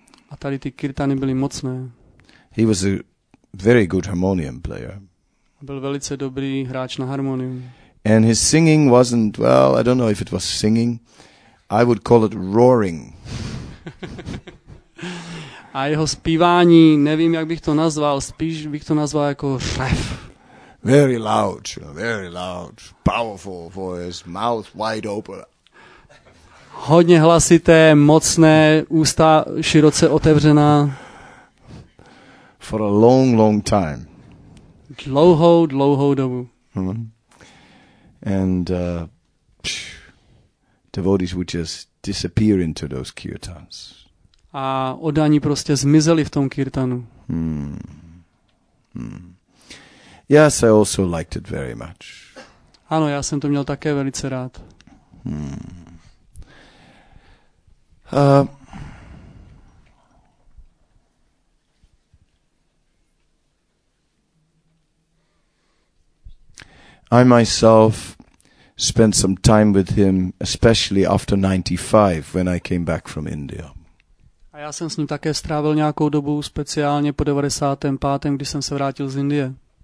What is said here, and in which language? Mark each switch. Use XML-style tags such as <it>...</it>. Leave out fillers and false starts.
<cs>A tady ty kirtany byly mocné.</cs> <en>He was a very good harmonium player.</en> <cs>Byl velice dobrý hráč na harmonium.</cs> <en>And his singing wasn't, well, I don't know if it was singing. I would call it roaring.</en> <cs>A jeho zpívání, nevím, jak bych to nazval, spíš bych to nazval jako rev.</cs> <en>Very loud, powerful voice, mouth wide open.</en> <cs>Hodně hlasité, mocné, ústa široce otevřená.</cs> <en>For a long, long time.</en> <cs>Dlouhou, dlouhou dobu.</cs> <en>And devotees would just disappear into those kirtans.</en> <cs>A oddaní prostě zmizeli v tom kirtanu.</cs> <en>Yes, I also liked it very much.</en> <cs>Ano, já jsem to měl také velice rád.</cs> <en>I myself spent some time with him, especially after 95, when I came back from India.</en> <cs>A já jsem s ním také strávil nějakou dobu, speciálně po 95., když jsem se vrátil z Indie.</cs>